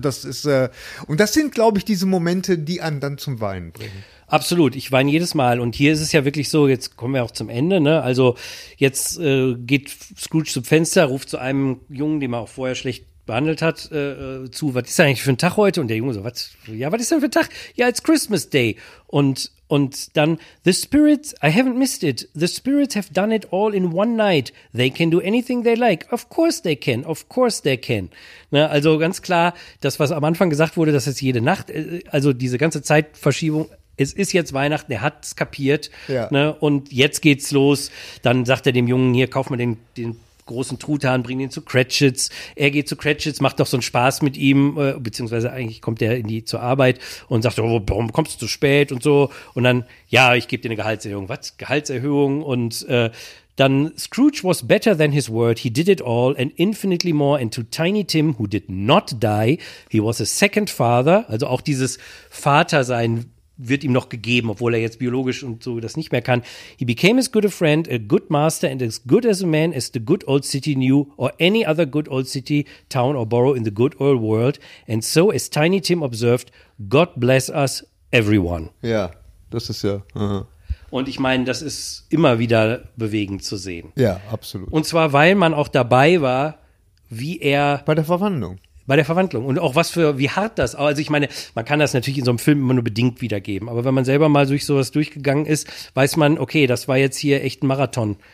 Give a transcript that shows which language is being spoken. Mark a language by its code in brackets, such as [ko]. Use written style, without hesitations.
[de] Das ist, und das sind, glaube ich, diese Momente, die einen dann zum Weinen bringen. Absolut, ich weine jedes Mal und hier ist es ja wirklich so, jetzt kommen wir auch zum Ende, ne? Also jetzt geht Scrooge zum Fenster, ruft zu einem Jungen, den er auch vorher schlecht behandelt hat, zu, was ist eigentlich für ein Tag heute? Und der Junge so, was? Ja, was ist denn für ein Tag? Ja, [en] it's Christmas Day. [de] Und dann, [en] the spirits, I haven't missed it, the spirits have done it all in one night, they can do anything they like, of course they can. [de] Ne, also ganz klar, das, was am Anfang gesagt wurde, dass jetzt jede Nacht, also diese ganze Zeitverschiebung, es ist jetzt Weihnachten, er hat es kapiert, ja, ne, und jetzt geht's los. Dann sagt er dem Jungen, hier, kauf mal den großen Truthahn, bring ihn zu Cratchits. Er geht zu Cratchits, macht doch so einen Spaß mit ihm, beziehungsweise eigentlich kommt er in die zur Arbeit und sagt, oh, warum kommst du zu spät und so. Und dann, ja, ich gebe dir eine Gehaltserhöhung. Was? Gehaltserhöhung? Und dann, [en] Scrooge was better than his word. He did it all and infinitely more. And to Tiny Tim, who did not die, he was a second father. [de] Also auch dieses Vatersein wird ihm noch gegeben, obwohl er jetzt biologisch und so das nicht mehr kann. [en] He became as good a friend, a good master and as good as a man as the good old city knew or any other good old city, town or borough in the good old world. And so, as Tiny Tim observed, God bless us, everyone. [de] Ja, das ist ja. Und ich meine, das ist immer wieder bewegend zu sehen. Ja, absolut. Und zwar, weil man auch dabei war, wie er Bei der Verwandlung. Und auch wie hart das, also ich meine, man kann das natürlich in so einem Film immer nur bedingt wiedergeben. Aber wenn man selber mal durch sowas durchgegangen ist, weiß man, okay, das war jetzt hier echt ein Marathon.